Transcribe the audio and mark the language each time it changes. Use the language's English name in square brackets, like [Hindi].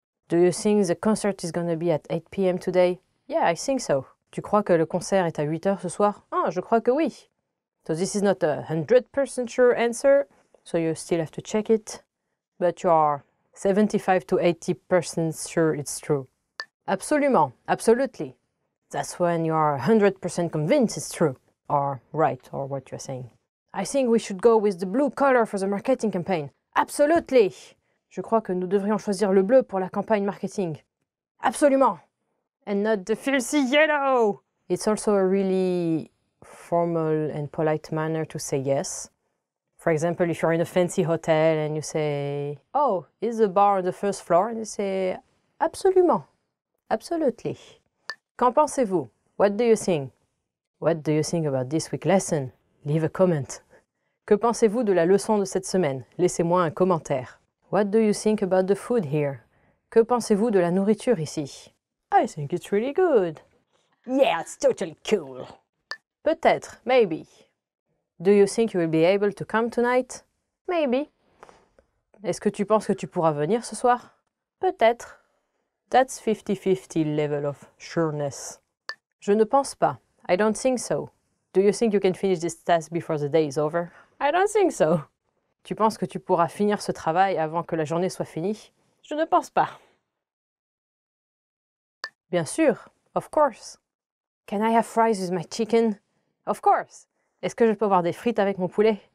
[English] Do you think the concert is gonna be at 8 p.m. today? Yeah, I think so. [French] Tu crois que le concert est à 8 heures ce soir? Ah, je crois que oui. [English] So this is not a 100% sure answer, so you still have to check it. But you are 75 to 80% sure it's true. Absolument, absolutely. That's when you are 100% convinced it's true, or right, or what you're saying. I think we should go with the blue color for the marketing campaign. Absolutely! [French] Je crois que nous devrions choisir le bleu pour la campagne marketing. [English] Absolument! And not the fancy yellow! It's also a really formal and polite manner to say yes. For example, if you're in a fancy hotel and you say, oh, is the bar on the first floor? And you say, absolument. Absolutely. [French] Qu'en pensez-vous? [English] What do you think? What do you think about this week's lesson? Leave a comment. [French] Que pensez-vous de la leçon de cette semaine? Laissez-moi un commentaire. [English] What do you think about the food here? [French] Que pensez-vous de la nourriture ici? [English] I think it's really good. Yeah, it's totally cool. Peut-être, maybe. Do you think you will be able to come tonight? Maybe. [French] Est-ce que tu penses que tu pourras venir ce soir? Peut-être. [English] That's 50-50 level of sureness. [French] Je ne pense pas. [English] I don't think so. Do you think you can finish this task before the day is over? I don't think so. [French] Tu penses que tu pourras finir ce travail avant que la journée soit finie? Je ne pense pas. [English] Bien sûr, of course. Can I have fries with my chicken? Of course. [French] Est-ce que je peux avoir des frites avec mon poulet?